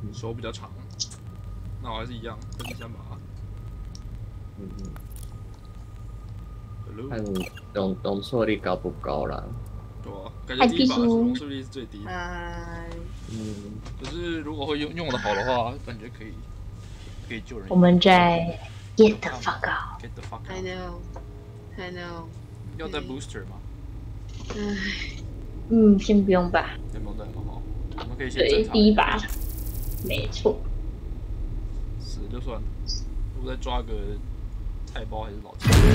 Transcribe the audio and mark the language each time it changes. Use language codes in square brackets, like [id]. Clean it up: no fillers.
[zh] 手比较长。那我还是一样，第三把。嗯嗯。 [en] Hello。 [zh] 看容错率高不高啦？对啊，感觉第一把的容错率是最低的。嗯，可是如果会用的好的话，感觉可以救人。我们在 [en] get the fuck out。 Get the fuck out。 I know。 [zh] 要带 booster 吗？嗯，先不用吧。先不用带，好。我们可以先正常。对，第一把，没错。死就算了，我再抓个菜包还是老七。